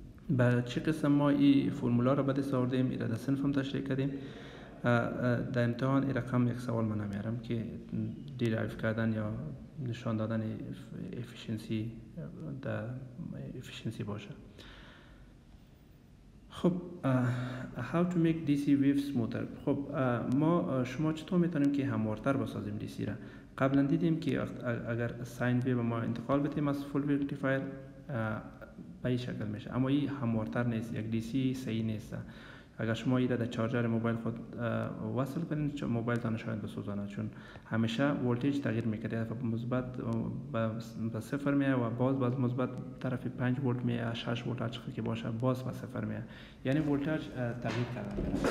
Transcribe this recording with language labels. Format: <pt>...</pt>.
<fa>به چه قسم ما این فرمولا را بده ساردیم، این را در صنف هم تشریح کردیم. در امتحان این رقم یک سوال من نمیارم که دیرایف کردن یا نشان دادن افیشنسی در افیشنسی باشه.</fa> <en>خب how to make DC wave smoother.</en> <fa>خب ما شما چطور میتونیم که هموارتر بسازیم DC را؟ قبلا دیدیم که اگر ساین ویو ما انتقال بدیم از فول ویو ریکتیفایر به این شکل میشه، اما این هموارتر نیست، یک DC صحیح نیست. اگر شما این را در چارجر موبایل خود وصل کنید، موبایل تان شاید بسوزاند، چون همیشه ولتیج تغییر میکرده، یعنی مثبت به صفر میاد و باز مثبت طرف 5 ولت میاد، 6 ولت هر چقدر که باشه باز به صفر میاد، یعنی ولتیج تغییر کرده.</fa>